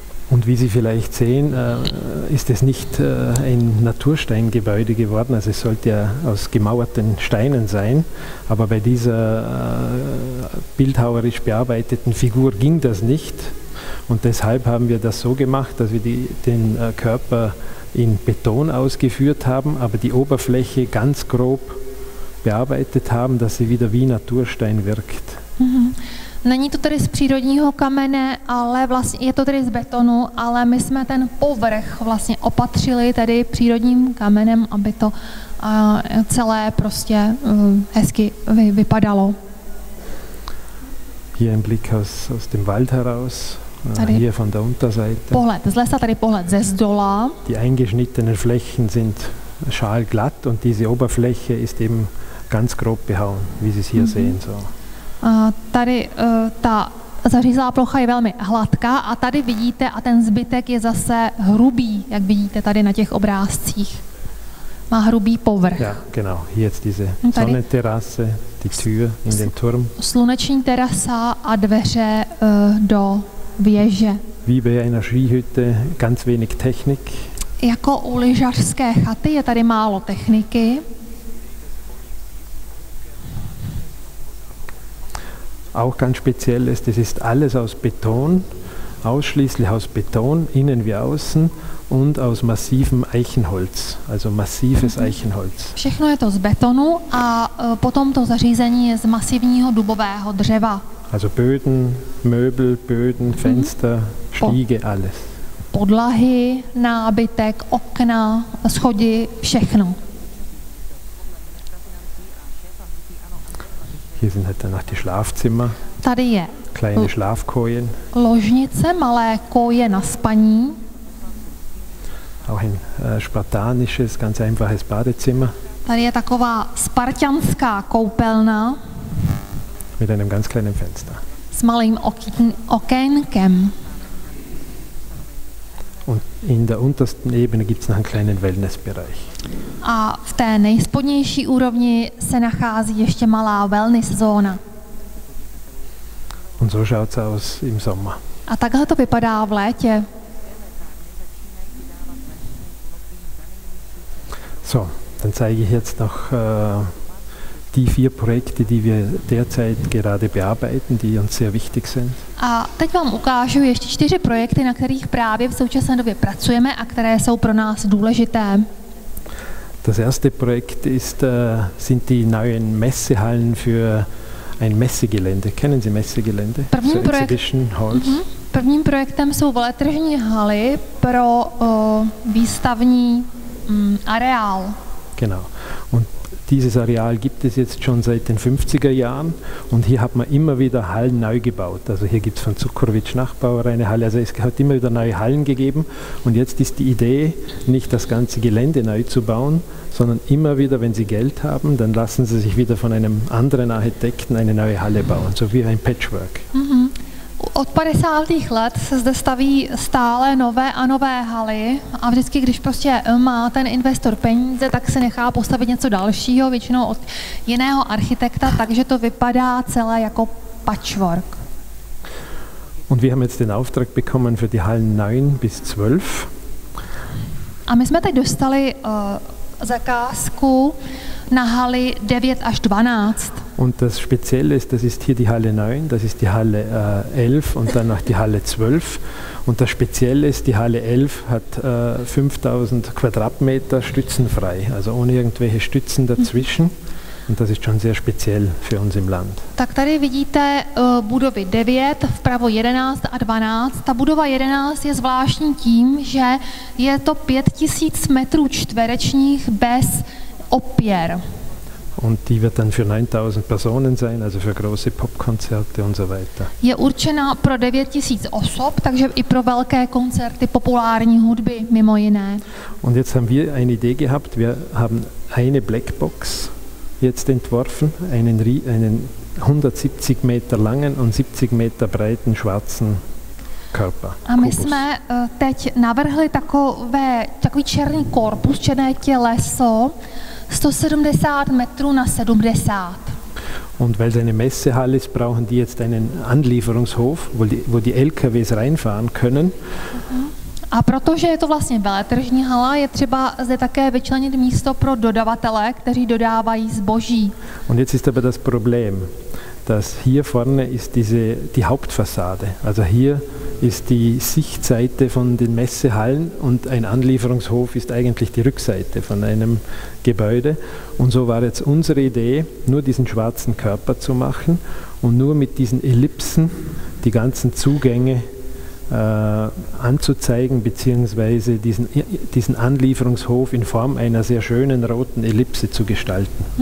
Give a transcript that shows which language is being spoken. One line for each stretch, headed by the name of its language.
German: Und wie Sie vielleicht sehen, ist es nicht ein Natursteingebäude geworden, also es sollte ja aus gemauerten Steinen sein, aber bei dieser bildhauerisch bearbeiteten Figur ging das nicht und deshalb haben wir das so gemacht, dass wir den Körper in Beton ausgeführt haben, aber die Oberfläche ganz grob bearbeitet haben, dass sie wieder wie Naturstein wirkt.
Czech: Není to tedy z přírodního kamene, ale vlastně je to tedy z betonu, ale my jsme ten povrch vlastně opatřili tedy přírodním kamenem, aby to celé prostě hezky vypadalo.
German: Hier ein Blick aus dem Wald heraus.
Czech: Tady
German: hier von der Unterseite.
Czech: Pohled z lesa, tady pohled ze zdola.
German: Die eingeschnittenen Flächen sind schalglatt und diese Oberfläche ist eben ganz grob behauen, wie Sie es hier sehen. So.
Czech: Tady ta zařízlá plocha je velmi hladká a tady vidíte, a ten zbytek je zase hrubý, jak vidíte tady na těch obrázcích. Má hrubý povrch.
German: Ja, genau, jetzt diese Sonnenterrasse, die Tür in den Turm.
Czech: Sluneční terasa a dveře do věže.
German: Wie bei einer Skihütte, ganz wenig Technik.
Czech: Jako u lyžařské chaty je tady málo techniky.
German: Auch ganz speziell ist, es ist alles aus Beton, ausschließlich aus Beton, innen wie außen, und aus massivem Eichenholz, also massives Eichenholz.
Czech: Všechno je to z betonu a potom to zařízení je z masivního dubového dřeva.
German: Also Böden, Möbel, Böden, Fenster, Stiege, alles.
Czech: Podlahy, nábytek, okna, schody, všechno.
German: Hier sind halt danach die Schlafzimmer.
Czech: Tady je
German: kleine Schlafkojen.
Czech: Ložnice, malé koje na spaní.
German: Auch ein spartanisches, ganz einfaches Badezimmer.
Czech: Tady je taková spartianská koupelna.
German: Mit einem ganz kleinen Fenster.
Czech: S malým okénkem.
German: Und in der untersten Ebene gibt's noch einen kleinen Wellnessbereich.
Czech: A v té nejspodnější úrovni se nachází ještě malá wellness zóna.
German: Und so schaut's aus im Sommer.
Czech: A takhle to vypadá v létě.
German: So, dann zeige ich jetzt noch die vier Projekte, die wir derzeit gerade bearbeiten, die uns sehr wichtig sind.
Czech: A teď vám ukážu ještě čtyři projekty, na kterých právě v současné době pracujeme a které jsou pro nás důležité.
German: Das erste Projekt ist sind die neuen Messehallen für ein Messegelände. Kennen Sie Messegelände?
Czech: Prvním,
English: so Exhibition Halls.
Czech: Prvním projektem jsou veletržní haly pro výstavní areál.
German: Genau. Und dieses Areal gibt es jetzt schon seit den 50er Jahren und hier hat man immer wieder Hallen neu gebaut. Also hier gibt es von Zukrovic Nachbauer eine Halle, also es hat immer wieder neue Hallen gegeben und jetzt ist die Idee, nicht das ganze Gelände neu zu bauen, sondern immer wieder, wenn Sie Geld haben, dann lassen Sie sich wieder von einem anderen Architekten eine neue Halle bauen, so wie ein Patchwork.
Czech: Mhm. Od 50. let se zde staví stále nové a nové haly a vždycky, když prostě má ten investor peníze, tak se nechá postavit něco dalšího, většinou od jiného architekta, takže to vypadá celé jako patchwork.
German: Und wir haben jetzt den Auftrag bekommen für die Hallen 9 bis 12.
Czech: A my jsme teď dostali zakázku na haly 9 až 12.
German: Und das Spezielle ist, das ist hier die Halle 9, das ist die Halle 11 und dann noch die Halle 12. Und das Spezielle ist, die Halle 11 hat 5000 Quadratmeter stützenfrei, also ohne irgendwelche Stützen dazwischen. Und das ist schon sehr speziell für uns im Land.
Czech: Tak tady vidíte budovy 9, vpravo 11 a 12. Ta budova 11 je zvláštní tím, že je to 5000 metrů čtverečních bez opěr.
German: Und die wird dann für 9000 Personen sein, also für große Popkonzerte und so weiter.
Czech: Je určená pro 9000 osob, takže i pro velké koncerty populární hudby mimo jiné.
German: Und jetzt haben wir eine Idee gehabt, wir haben eine Blackbox jetzt entworfen, einen 170 Meter langen und 70 Meter breiten schwarzen Körper.
Czech: A my jsme teď navrhli takový černý korpus, černé těleso, 170 metrů na 70.
German: Und weil es eine Messehalle ist, brauchen die jetzt einen Anlieferungshof, wo die LKWs reinfahren können.
Czech: A protože je to vlastně veletržní hala, je třeba zde také vyčlenit místo pro dodavatele, kteří dodávají zboží.
German: Und jetzt ist aber das Problem, dass hier vorne ist die Hauptfassade. Also hier ist die Sichtseite von den Messehallen und ein Anlieferungshof ist eigentlich die Rückseite von einem Gebäude. Und so war jetzt unsere Idee, nur diesen schwarzen Körper zu machen und nur mit diesen Ellipsen die ganzen Zugänge anzuzeigen, beziehungsweise diesen Anlieferungshof in Form einer sehr schönen roten Ellipse zu gestalten.